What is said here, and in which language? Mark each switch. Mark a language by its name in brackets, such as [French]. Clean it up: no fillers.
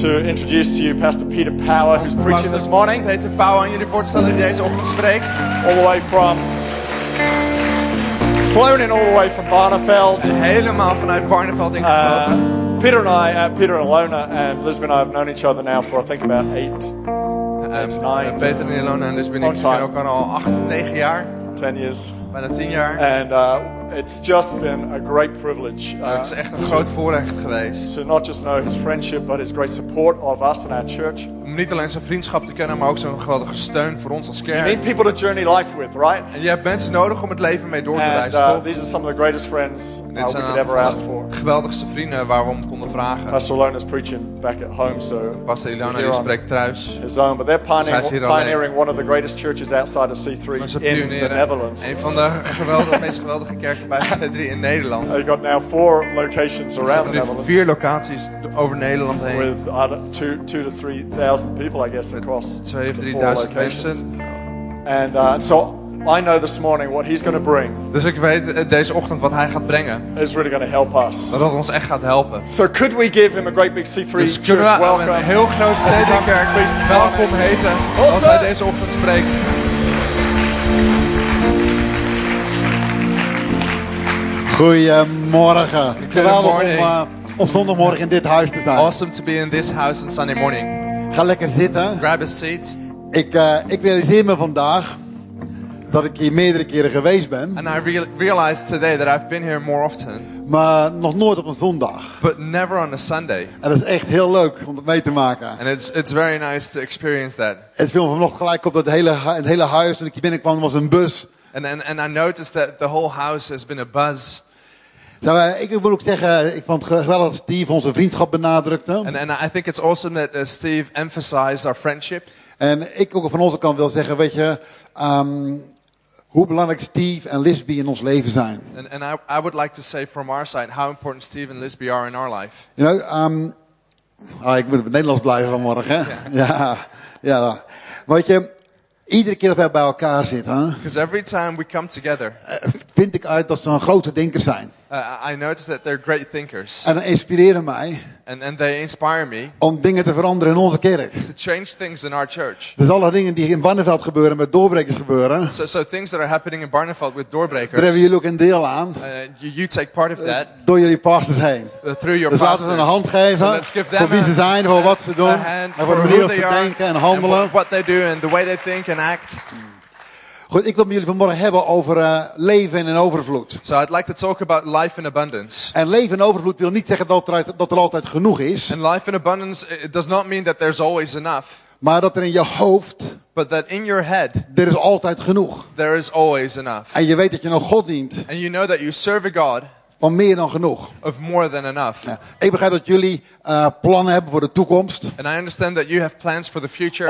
[English] to introduce to you Pastor Peter Power, who's preaching Pastor this morning. [Dutch] Peter Power, aan jullie voor te stellen die deze ochtend spreekt. [English] All the way from. Flown in all the way from Barneveld. [Dutch] En helemaal vanuit Barneveld ingevlogen. [English] Peter and I, Peter and Ilona and Lisbon and I have known each other now for I think about 8 to 9. [Dutch] Peter and Ilona and Lisbon, ik ken elkaar al 8, 9 jaar. [English] 10 years. [Dutch] Bijna 10 jaar. [English] And it's just been a great privilege. [Dutch] Het is echt een groot voorrecht geweest. [English] To not just know his friendship, but his great support of us and our church. [Dutch] Om niet alleen zijn vriendschap te kennen, maar ook zo'n geweldige steun voor ons als kerk. [English] You need people to journey life with, right? [Dutch] En je hebt mensen nodig om het leven mee door te reizen, toch? [English] These are some of the greatest friends we could ever ask for. [Dutch] Geweldigste vrienden waar we om konden vragen. [English] Pastor Ilona is preaching back at home, so. [Dutch] Pastor Ilona die spreekt thuis. [English] His own, but they're pioneering one of the greatest churches outside of C3 in the Netherlands. [Dutch] Een van de meest geweldige kerken bij C3 in Nederland. [English] They've got now 4 locations around the Netherlands. [Dutch] Vier locaties over Nederland heen. [English] With 2,000 to 3,000 people, I guess, across [Dutch] 2,000 to 3,000 mensen. [English] And so I know this morning what he's going to bring. [Dutch] Dus ik weet deze ochtend wat hij gaat brengen. [English] Is really going to help us. [Dutch] Dat het ons echt gaat helpen. [English] So could we give him a great big C3 church welcome? [Dutch] Dus kunnen we een heel groot C3-kerk welkom heten als hij deze ochtend spreekt. Goedemorgen. Geweldig om zondagmorgen in dit huis te zijn. [English] Awesome to be in this house on Sunday morning. [Dutch] Ga lekker zitten. [English] Grab a seat. [Dutch] Ik realiseer me vandaag dat ik hier meerdere keren geweest ben. [English] And I realize today that I've been here more often. [Dutch] Maar nog nooit op een zondag. [English] But never on a Sunday. [Dutch] En dat is echt heel leuk om dat mee te maken. [English] And it's very nice to experience that. [Dutch] Het viel me vanochtend gelijk op dat het hele huis toen ik hier binnenkwam was een bus. [English] And I noticed that the whole house has been a buzz. [Dutch] Nou, ik wil ook zeggen, ik vond het geweldig dat Steve onze vriendschap benadrukte. [English] And I think it's awesome that Steve emphasized our friendship. [Dutch] En ik ook van onze kant wil zeggen, weet je, hoe belangrijk Steve en Lisby in ons leven zijn. [English] And I would like to say from our side how important Steve and Lisby are in our life. You know, [Dutch] ik moet op het Nederlands blijven vanmorgen. [English] Yeah. [Dutch] Ja, weet je. Iedere keer dat wij bij elkaar zitten, [English] because every time we come together, [Dutch] vind ik uit dat ze een grote denker zijn. [English] I notice that they're great thinkers. [Dutch] En dat inspireren mij. [English] And they inspire me. [Dutch] Om dingen te veranderen in onze kerk. [English] To change things in our church. [Dutch] Dus alle dingen die in Barneveld gebeuren met doorbrekers gebeuren. [English] So things that are happening in Barneveld with doorbreakers. [Dutch] Daar hebben jullie ook een deel aan. [English] You take part of that. [Dutch] Door jullie pastors heen. [English] Through your [Dutch] dus [English] pastors. [Dutch] Laten ze een hand geven. [English] So let's give them [Dutch] voor wie ze zijn, voor wat ze doen. En voor manier van denken en handelen. [English] And what they do and the way they think and act. [Dutch] Goed, ik wil met jullie vanmorgen hebben over leven in overvloed. [English] So I'd like to talk about life in abundance. [Dutch] En leven in overvloed wil niet zeggen dat er altijd genoeg is. [English] And life in abundance it does not mean that there's always enough. [Dutch] Maar dat er in je hoofd, [English] but that in your head, [Dutch] er is altijd genoeg. [English] There is always enough. [Dutch] En je weet dat je nog God dient. [English] And you know that you serve a God. [Dutch] Van meer dan genoeg. [English] Of more than enough. [Dutch] Ja. Ik begrijp dat jullie plannen hebben voor de toekomst. [English] And I understand that you have plans for the future.